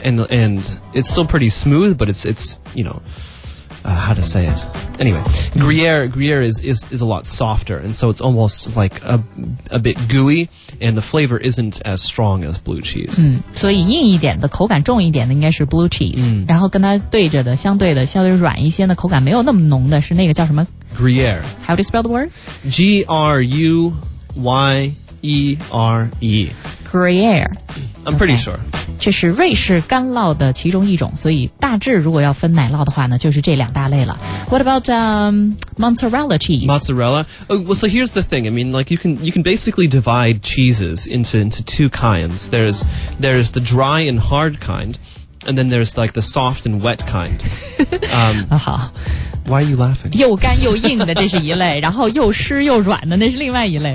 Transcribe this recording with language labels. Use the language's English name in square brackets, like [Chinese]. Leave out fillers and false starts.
[English] And it's still pretty smooth, but it's you know... how to say it? Anyway, Gruyere is a lot softer, and so it's almost like a bit gooey, and the flavor isn't as strong as blue cheese. [Chinese] 所以硬一点的口感重一点的应该是 blue cheese. 然后跟它对着的相对的相对软一些的口感没有那么浓的是那个叫什么 [English] Gruyere. How do you spell the word? Gruyere. Gruyere. I'm pretty sure. [Chinese] 这是瑞士干酪的其中一种，所以大致如果要分奶酪的话呢，就是这两大类了。 [English] What about mozzarella cheese? Mozzarella. Oh, well, so here's the thing. I mean, like you can basically divide cheeses into two kinds. There's the dry and hard kind, and then there's like the soft and wet kind. [Chinese] 好。 [English] Why are you laughing? [Chinese] 又干又硬的这是一类，然后又湿又软的那是另外一类。